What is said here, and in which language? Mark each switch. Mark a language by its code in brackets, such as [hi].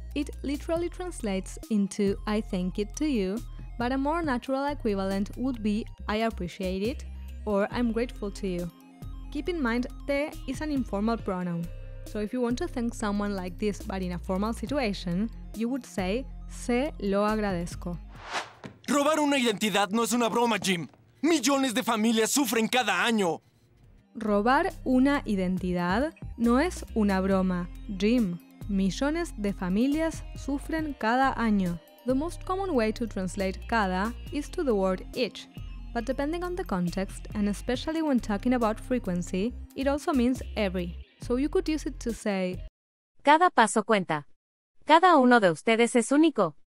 [en] It literally translates into I thank it to you, but a more natural equivalent would be I appreciate it or I'm grateful to you. Keep in mind, te is an informal pronoun, so if you want to thank someone like this but in a formal situation, you would say [es] se lo agradezco. Robar una identidad no es una broma, Jim. Millones de familias sufren cada año. Robar una identidad no es una broma, Jim. Millones de familias sufren cada año. [en] The most common way to translate cada is to the word each, but depending on the context, and especially when talking about frequency, it also means every. So you could use it to say, [es] cada paso cuenta. Cada uno de ustedes es único.